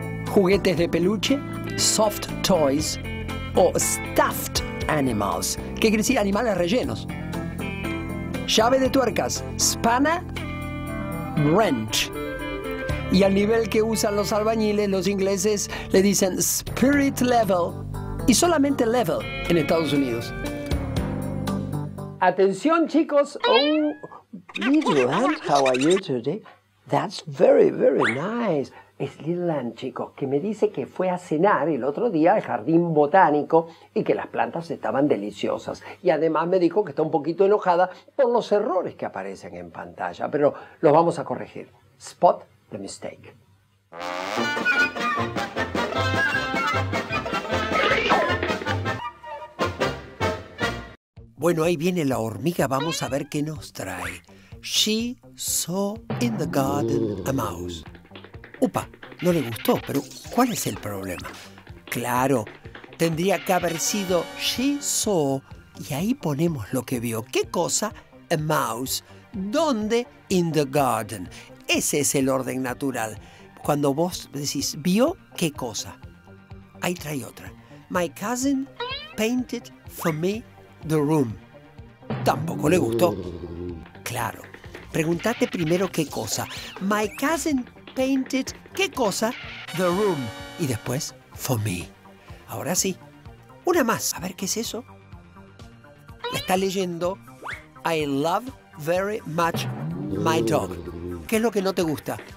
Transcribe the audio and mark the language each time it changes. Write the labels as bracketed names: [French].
[Spanish] Juguetes de peluche, soft toys o stuffed animals, que quiere decir animales rellenos. Llave de tuercas, spanner, wrench. Y al nivel que usan los albañiles, los ingleses le dicen spirit level y solamente level en Estados Unidos. Atención, chicos. [English] Oh, little Ann, how are you today? That's very, very nice. [Spanish] Es Little Ann, chicos, que me dice que fue a cenar el otro día al jardín botánico y que las plantas estaban deliciosas. Y además me dijo que está un poquito enojada por los errores que aparecen en pantalla. Pero los vamos a corregir. [English] Spot the mistake. [Spanish] Bueno, ahí viene la hormiga. Vamos a ver qué nos trae. [English] She saw in the garden a mouse. [Spanish] Upa, no le gustó, pero ¿cuál es el problema? Claro, tendría que haber sido she saw, y ahí ponemos lo que vio. ¿Qué cosa? [English] A mouse. [Spanish] ¿Dónde? [English] In the garden. [Spanish] Ese es el orden natural. Cuando vos decís, ¿vio qué cosa? Ahí trae otra. [English] My cousin painted for me the room. [Spanish] Tampoco le gustó. Claro, pregúntate primero qué cosa. [English] My cousin painted, [Spanish] ¿qué cosa? [English] The room. [Spanish] Y después, [English] for me. [Spanish] Ahora sí, una más. A ver, ¿qué es eso? La está leyendo. [English] I love very much my dog. [Spanish] ¿Qué es lo que no te gusta?